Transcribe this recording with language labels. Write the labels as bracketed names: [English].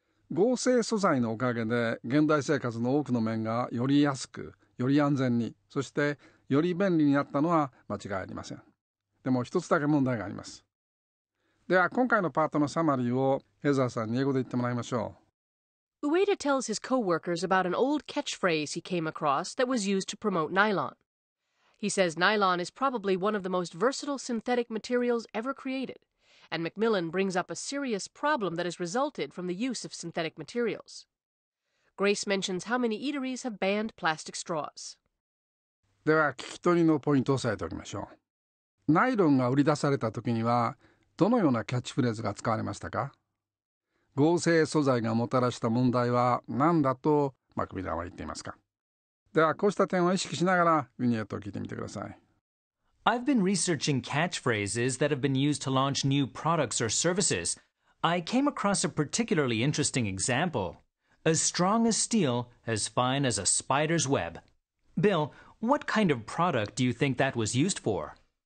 [Japanese] 合成素材のおかげで現代生活の多くの面がより安く、より安全に、そしてより便利になったのは間違いありません。でも一つだけ問題があります。では今回のパートのサマリーをヘザーさんに英語で言ってもらいましょう。 [English] Ueda tells his co-workers about an old catchphrase he came across that was used to promote nylon. He says nylon is probably one of the most versatile synthetic materials ever created, and Macmillan brings up a serious problem that has resulted from the use of synthetic materials. Grace mentions how many eateries have banned plastic straws. [Japanese] では聞き取りのポイントを押さえておきましょう。ナイロンが売り出された時にはどのようなキャッチフレーズが使われましたか？合成素材がもたらした問題は何だとマクミランは言っていますか？ではこうした点を意識しながらビニエットを聞いてみてください。 [English] I've been researching catchphrases that have been used to launch new products or services. I came across a particularly interesting example. As strong as steel, as fine as a spider's web. Bill, what kind of product do you think that was used for?